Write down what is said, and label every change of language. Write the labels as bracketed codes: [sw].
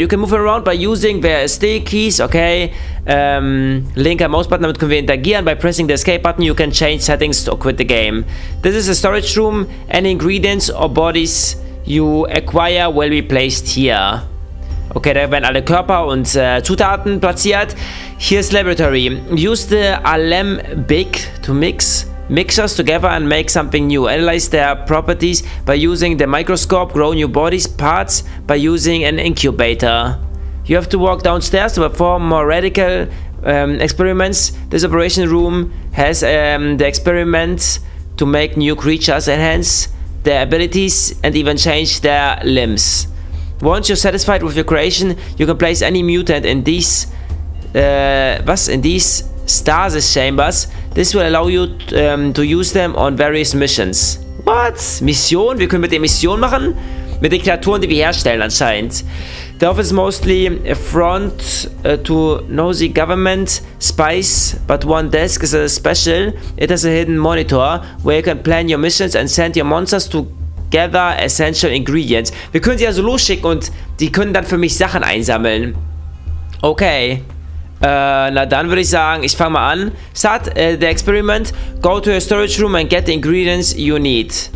[en] You can move around by using the WASD keys, okay. [de] Linker mouse button, damit können wir interagieren. [en] By pressing the escape button, you can change settings or quit the game. This is a storage room. Any ingredients or bodies you acquire will be placed here. [de] Okay, da werden alle Körper und Zutaten platziert. Hier ist Laboratory. [en] Use the Alembic to mix mixers together and make something new. Analyze their properties by using the microscope. Grow new bodies parts by using an incubator. You have to walk downstairs to perform more radical experiments. This operation room has the experiments to make new creatures, enhance their abilities and even change their limbs. Once you're satisfied with your creation, you can place any mutant in these stasis chambers. This will allow you to use them on various missions. What? Mission? [de] Wir können mit den Missionen machen? Mit den Kreaturen, die wir herstellen anscheinend. [en] The office is mostly a front to nosy government spies, but one desk is a special. It has a hidden monitor where you can plan your missions and send your monsters to gather essential ingredients. [de] Wir können sie also losschicken und die können dann für mich Sachen einsammeln. Okay. Na dann würde ich sagen, ich fange mal an. [en] Start the experiment. Go to your storage room and get the ingredients you need.